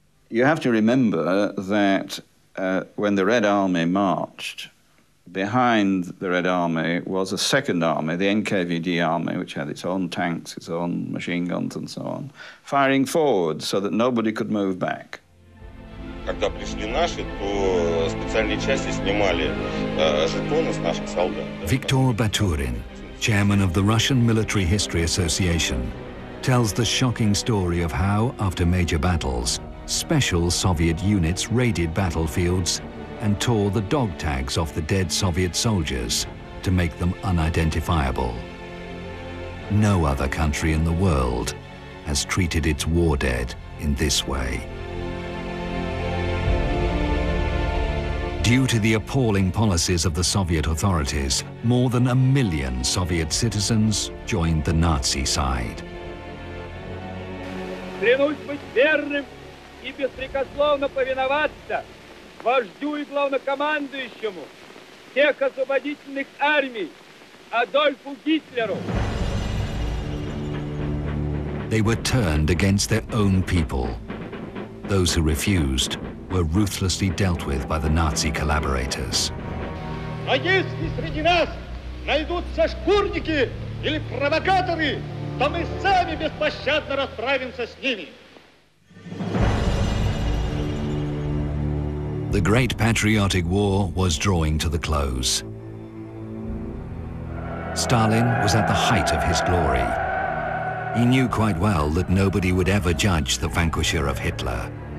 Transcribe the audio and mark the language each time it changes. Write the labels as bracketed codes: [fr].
[en] You have to remember that when the Red Army marched, behind the Red Army was a second army, the NKVD army, which had its own tanks, its own machine guns and so on, firing forward so that nobody could move back. [ru] Когда пришли наши, то специальные части снимали жетоны с наших солдат. [en] Виктор Батурин, chairman of the Russian Military History Association, tells the shocking story of how, after major battles, special Soviet units raided battlefields and tore the dog tags off the dead Soviet soldiers to make them unidentifiable. No other country in the world has treated its war dead in this way. Due to the appalling policies of the Soviet authorities, more than a million Soviet citizens joined the Nazi side. [ru] Клянусь быть верным и беспрекословно повиноваться вождю и главнокомандующему всех освободительных армий Адольфу Гитлеру. [en] They were turned against their own people. Those who refused were ruthlessly dealt with by the Nazi collaborators. [ru] А если среди нас найдутся шкурники или провокаторы, то мы сами беспощадно расправимся с ними. [en] The Great Patriotic War was drawing to the close. Stalin was at the height of his glory. He knew quite well that nobody would ever judge the vanquisher of Hitler.